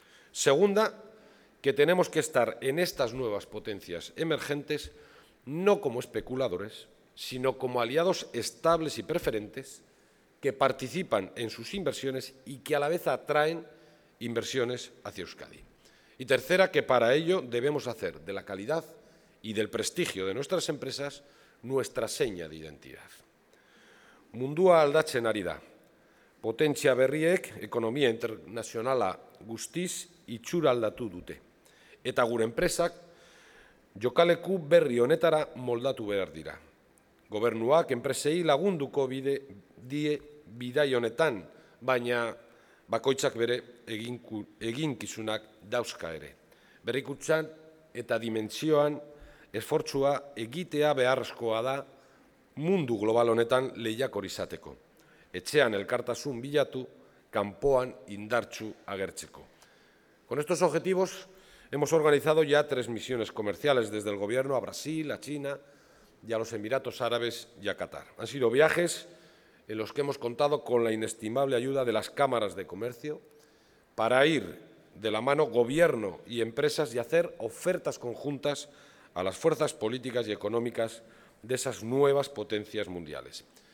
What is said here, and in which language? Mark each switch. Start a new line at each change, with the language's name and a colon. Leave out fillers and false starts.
Spanish: Segunda, que tenemos que estar en estas nuevas potencias emergentes no como especuladores, sino como aliados estables y preferentes que participan en sus inversiones y que a la vez atraen inversiones hacia Euskadi. Y tercera, que para ello debemos hacer de la calidad y del prestigio de nuestras empresas nuestra seña de identidad.
Basque: Mundua aldatzen ari da. Potentzia berriek, ekonomia internazionala guztiz, itxura aldatu dute. Eta gure enpresak, jokaleku berri honetara moldatu behar dira. Gobernuak enpresei lagunduko die bidai honetan, baina bakoitzak bere eginkizunak dauzka ere. Berrikutzan eta dimentsioan esfortzua egitea beharrezkoa da mundu global honetan lehiakor izateko. Etxean elkartasun bilatu, kanpoan indartsu agertzeko.
Spanish: Con estos objetivos hemos organizado ya 3 misiones comerciales desde el Gobierno a Brasil, a China y a los Emiratos Árabes y a Qatar. Han sido viajes en los que hemos contado con la inestimable ayuda de las cámaras de comercio para ir de la mano Gobierno y empresas y hacer ofertas conjuntas a las fuerzas políticas y económicas de esas nuevas potencias mundiales.